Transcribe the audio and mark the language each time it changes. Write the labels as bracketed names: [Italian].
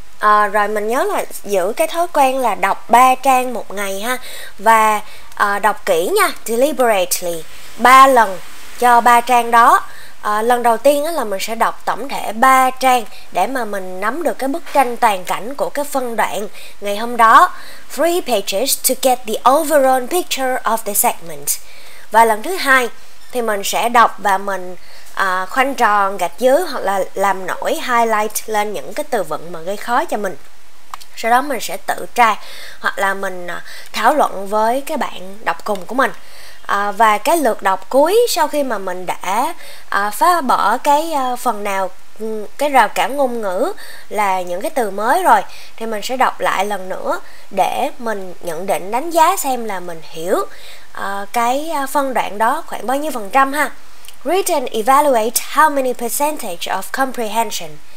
[Vietnamese] À, rồi mình nhớ là giữ cái thói quen là đọc 3 trang một ngày ha. Và đọc kỹ nha, deliberately, 3 lần cho 3 trang đó. Lần đầu tiên là mình sẽ đọc tổng thể 3 trang để mà mình nắm được cái bức tranh toàn cảnh của cái phân đoạn ngày hôm đó. [English] 3 pages to get the overall picture of the segment. [Vietnamese] Và lần thứ hai thì mình sẽ đọc và mình khoanh tròn gạch dưới hoặc là làm nổi highlight lên những cái từ vựng mà gây khó cho mình. Sau đó mình sẽ tự tra hoặc là mình thảo luận với cái bạn đọc cùng của mình. Và cái lượt đọc cuối sau khi mà mình đã phá bỏ cái phần nào, cái rào cản ngôn ngữ là những cái từ mới rồi, thì mình sẽ đọc lại lần nữa để mình nhận định đánh giá xem là mình hiểu cái phân đoạn đó khoảng bao nhiêu phần trăm ha. [English] Read and evaluate how many percentage of comprehension.